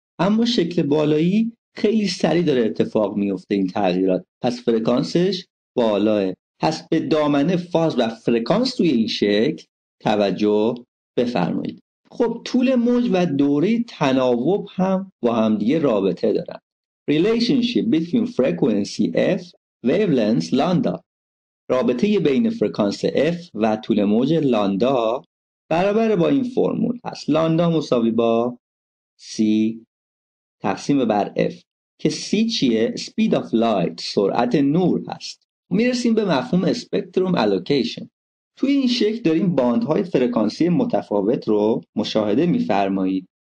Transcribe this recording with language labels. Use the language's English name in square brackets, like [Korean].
[Persian] اما شکل بالایی خیلی سریع داره اتفاق میفته این تغییرات، پس فرکانسش بالاه. پس به دامنه فاز و فرکانس توی این شکل توجه بفرمایید. خب طول موج و دوره تناوب هم با هم دیگه رابطه دارن. [English] Relationship between frequency F wavelength lambda. [Persian] رابطه بین فرکانس F و طول موج لاندا برابر با این فرمول هست. لاندا مساوی با C تقسیم بر F، که C چیه؟ [English] Speed of light، [Persian] سرعت نور هست. میرسیم به مفهوم Spectrum Allocation. توی این شکل داریم باندهای فرکانسی متفاوت رو مشاهده می‌فرمایید.